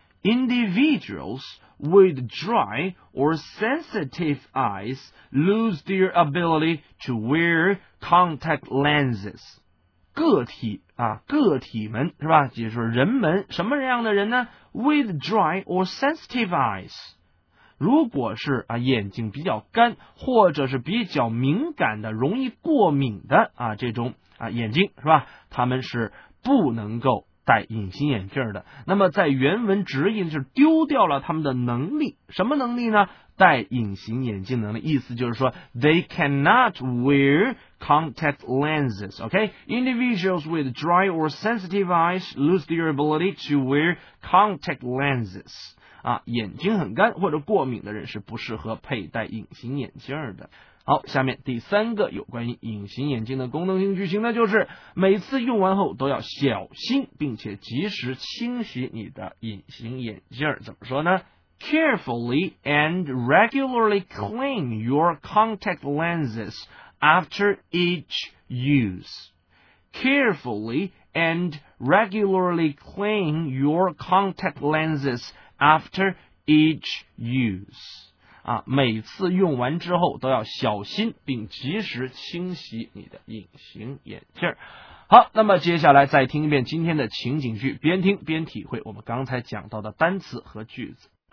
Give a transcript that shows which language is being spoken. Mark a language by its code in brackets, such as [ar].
[en] Individuals with dry or sensitive eyes lose their ability to wear contact lenses. [zh] 个体啊，个体们是吧，就是人们，什么样的人呢？ [en] With dry or sensitive eyes， [zh] 如果是啊眼睛比较干，或者是比较敏感的、容易过敏的啊这种啊眼睛是吧？他们是不能够戴隐形眼镜的。那么在原文直译就是丢掉了他们的能力，什么能力呢？戴隐形眼镜能力，意思就是说 [en] they cannot wear contact lenses. Okay, individuals with dry or sensitive eyes lose their ability to wear contact lenses. [zh] 啊，眼睛很干或者过敏的人是不适合佩戴隐形眼镜的。好，下面第三个有关于隐形眼镜的功能性句型呢，就是每次用完后都要小心并且及时清洗你的隐形眼镜。怎么说呢？ [en] Carefully and regularly clean your contact lenses after each use. Carefully and regularly clean your contact lenses after each use. [zh] 啊，每次用完之后都要小心并及时清洗你的隐形眼镜。好，那么接下来再听一遍今天的情景剧，边听边体会我们刚才讲到的单词和句子。